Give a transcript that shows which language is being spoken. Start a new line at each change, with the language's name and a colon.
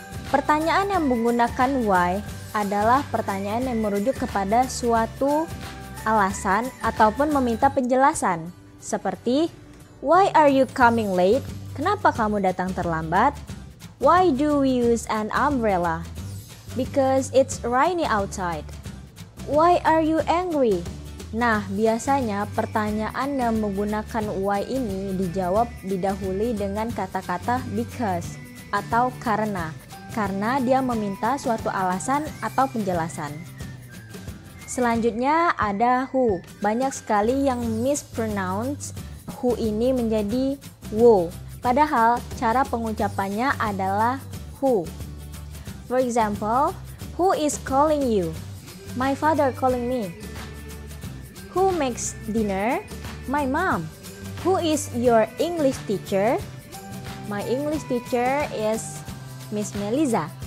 Indonesian: Pertanyaan yang menggunakan why adalah pertanyaan yang merujuk kepada suatu alasan ataupun meminta penjelasan. Seperti,
English: why are you coming late?
Indonesian: Kenapa kamu datang terlambat?
English: Why do we use an umbrella? Because it's rainy outside. Why are you angry?
Indonesian: Nah, biasanya pertanyaan yang menggunakan why ini dijawab didahului dengan kata-kata because atau karena. Karena dia meminta suatu alasan atau penjelasan. Selanjutnya ada who. Banyak sekali yang mispronounce who ini menjadi wo. Padahal cara pengucapannya adalah who.
English: For example, who is calling you? My father calling me. Who makes dinner? My mom. Who is your English teacher? My English teacher is Miss Melisa.